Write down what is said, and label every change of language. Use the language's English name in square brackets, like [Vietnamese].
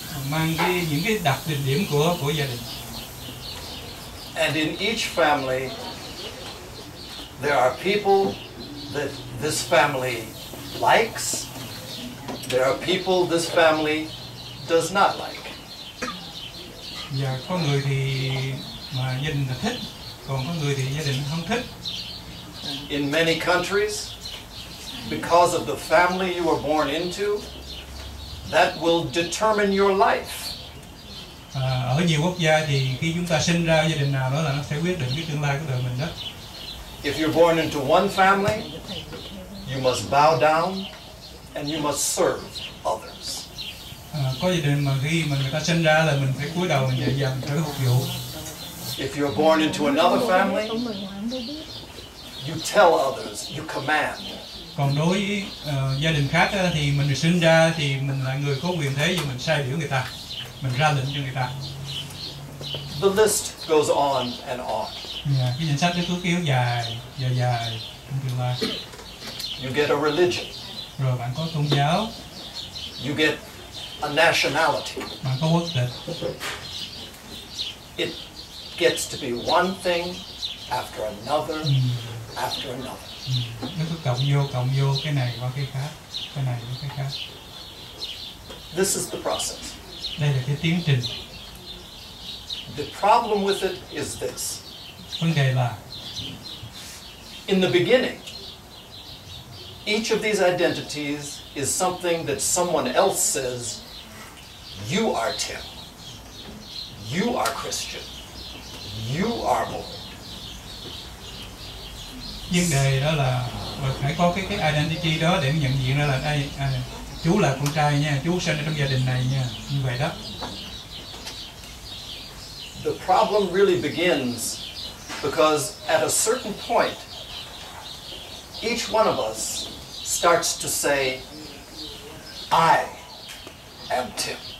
[Vietnamese] mang cái những cái đặc điểm của gia đình. [English] And in each family there are people that this family likes, there are people this family does not like. [Vietnamese] Và có người thì mà gia đình thích, còn có người thì gia đình không thích. [English] In many countries, because of the family you were born into, that will determine your life. [Vietnamese] Ở nhiều quốc gia thì khi chúng ta sinh ra gia đình nào đó là nó sẽ quyết định cái tương lai của đời mình đó. [English] If you're born into one family, you must bow down and you must serve others. [Vietnamese] Có gia đình mà khi mà người ta sinh ra là mình phải cúi đầu, mình dạy dần, phải phục vụ. [English] If you're born into another family, you tell others, you command. [Vietnamese] Còn đối với gia đình khác á, thì mình sinh ra thì mình là người có quyền thế, nhưng mình sai biểu người ta, mình ra lệnh cho người ta. [English] The list goes on and on. [Vietnamese] Yeah, cái danh sách nó cứ kéo dài, dài trong tương lai. [English] You get a religion. [Vietnamese] Rồi bạn có tôn giáo. [English] You get a nationality. [Vietnamese] Bạn có quốc tịch. [English] It gets to be one thing after another, after another. [Vietnamese] Nó cứ cộng vô cái này qua cái khác, cái này qua cái khác. [English] This is the process. [Vietnamese] Đây là cái tiến trình. [English] The problem with it is this. [Vietnamese] Vấn đề là [English] in the beginning, each of these identities is something that someone else says, you are Tim, you are Christian, you are Boyd. [Vietnamese] Vấn đề đó là mình phải có cái identity đó để nhận diện ra là đây chú là con trai nha, chú sinh ở trong gia đình này nha, như vậy đó. [English] The problem really begins because at a certain point each one of us starts to say I am Tim.